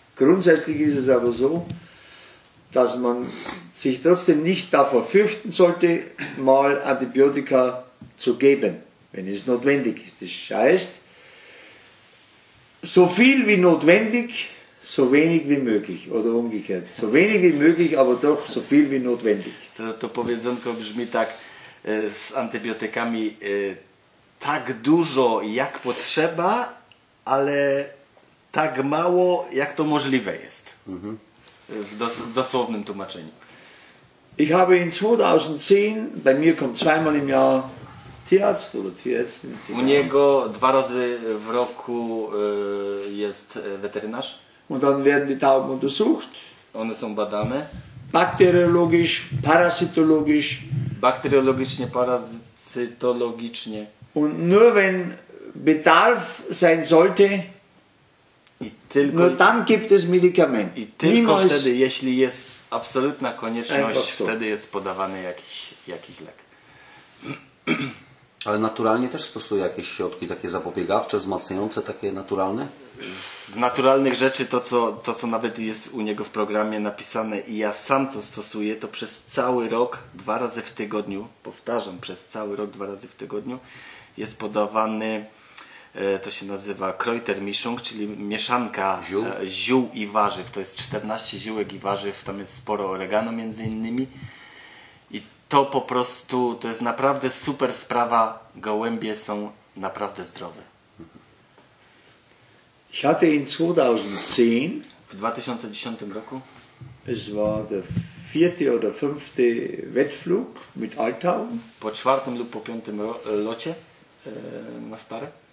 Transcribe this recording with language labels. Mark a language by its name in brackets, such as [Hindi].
[German] Grundsätzlich ist es aber so, dass man sich trotzdem nicht davor fürchten sollte, mal Antibiotika zu geben, wenn es notwendig ist. Das heißt, so viel wie notwendig, so wenig wie möglich. Oder umgekehrt. So wenig wie möglich, aber doch so viel wie notwendig. [Polish] To powiedzonko brzmi tak, z antybiotykami tak dużo jak potrzeba, ale tak mało jak to możliwe jest. W dosłownym tłumaczeniu. [German] Ich habe in 2010, bei mir kommt zweimal im Jahr Tierarzt oder Tierärztin. [Polish] U niego dwa razy w roku jest weterynarz. [German] Und dann werden die Tauben untersucht. [Polish] One są badane. [German] Bakteriologisch, parasitologisch. [Polish] Bakteriologicznie, parasitologicznie. [German] Und nur wenn Bedarf sein sollte, [Polish] tylko, [German] nur dann gibt es Medikament. [Polish] I tylko niemals wtedy, jeśli jest absolutna konieczność, wtedy jest podawany jakiś lek. Ale naturalnie też stosuje jakieś środki takie zapobiegawcze, wzmacniające, takie naturalne? Z naturalnych rzeczy to co nawet jest u niego w programie napisane i ja sam to stosuję, to przez cały rok, dwa razy w tygodniu, powtarzam, przez cały rok, dwa razy w tygodniu jest podawany, to się nazywa Kräutermischung, czyli mieszanka ziół i warzyw. To jest 14 ziółek i warzyw, tam jest sporo oregano między innymi. To po prostu, to jest naprawdę super sprawa. Gołębie są naprawdę zdrowe. [German] Ich hatte in 2010, [Polish] w 2010 roku, [German] es war der vierte oder fünfte Wettflug mit Altau. [Polish] Po czwartym lub po piątym locie na stare?